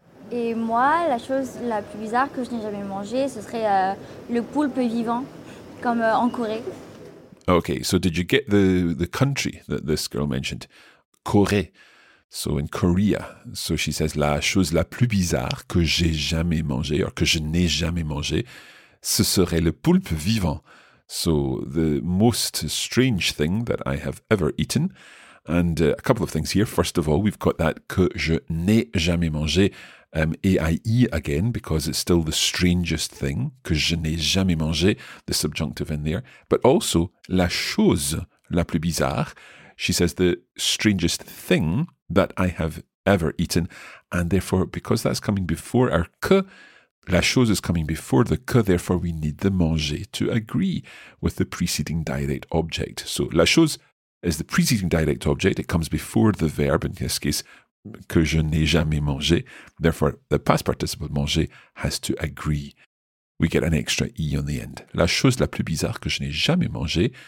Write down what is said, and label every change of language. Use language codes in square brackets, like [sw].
[fr] Et moi, la chose la plus bizarre que je n'ai jamais mangée, ce serait le poulpe vivant, comme en Corée. [en] Okay, so did you get the country that this girl mentioned? Corée. So in Korea. So she says, [fr] la chose la plus bizarre que j'ai jamais mangée, or que je n'ai jamais mangée, ce serait le poulpe vivant. [en] So the most strange thing that I have ever eaten. And a couple of things here. First of all, we've got that [fr] que je n'ai jamais mangé. [en] A-I-E again, because it's still the strangest thing, [fr] que je n'ai jamais mangé, [en] the subjunctive in there. But also, [fr] la chose la plus bizarre, [en] she says the strangest thing that I have ever eaten. And therefore, because that's coming before our que, la chose is coming before the que, therefore we need the manger to agree with the preceding direct object. So la chose is the preceding direct object, it comes before the verb, in this case, [fr] que je n'ai jamais mangé. [en] Therefore, the past participle manger has to agree. We get an extra I on the end. [fr] La chose la plus bizarre que je n'ai jamais mangé.